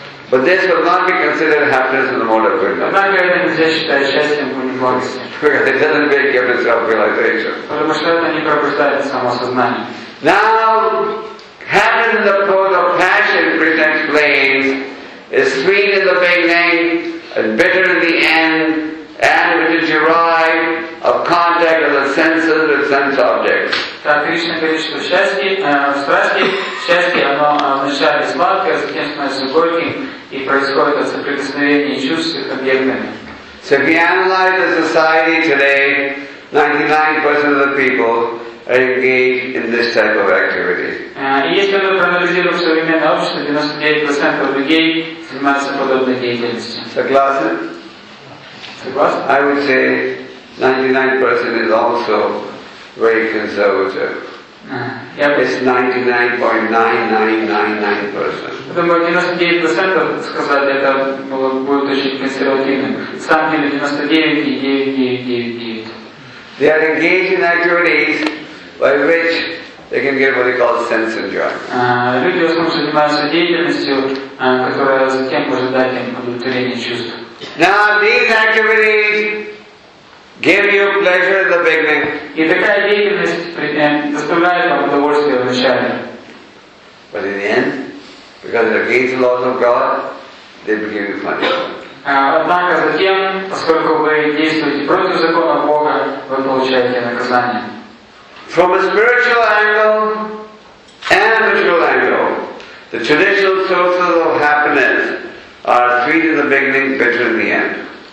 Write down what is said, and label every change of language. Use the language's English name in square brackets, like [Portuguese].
[English] But this will not be considered happiness in the mode of goodness. It doesn't make you into self-realization. Now, happiness in the mode of passion, Krishna explains, is sweet in the beginning and bitter in the end, and which is derived of contact of the senses with sense objects. [Russian] Так, Кришна говорит, что счастье, страсти, счастье, оно вначале сладкое, затем становится горьким, и происходит от соприкосновения чувств с объектами. [English] So if you analyze the society today, 99% of the people are engaged in this type of activity. [Russian] Если мы проанализируем современное общество, 99% людей занимаются подобной деятельностью. Согласны? Согласны? [English] I would say 99% is also very conservative. It's 99.9999%. They are engaged in activities by which they can get what they call sense enjoyment. [Russian] Люди в основном занимаются деятельностью, которая затем может дать им удовлетворение чувств. [English] Now these activities give you pleasure at the beginning. [Russian] И такая деятельность доставляет вам удовольствие в начале. [English] But in the end, because they're against the laws of God, they begin to punish. [Russian] Однако затем, поскольку вы действуете против закона Бога, вы получаете наказание. [English] From a spiritual angle and a material angle, the traditional sources of happiness are sweet in the beginning, bitter in the end.